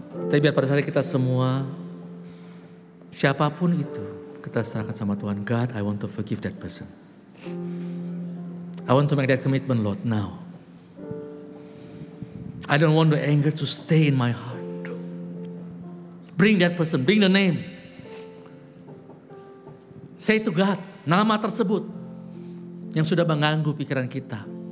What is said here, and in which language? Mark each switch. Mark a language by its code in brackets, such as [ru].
[id] Tapi biar pada saat kita semua, siapapun itu, kita serahkan sama Tuhan. [en] God, I want to forgive that person. I want to make that commitment, Lord, now. I don't want the anger to stay in my heart. Bring that person, bring the name. Say to God, [id] nama tersebut yang sudah mengganggu pikiran kita.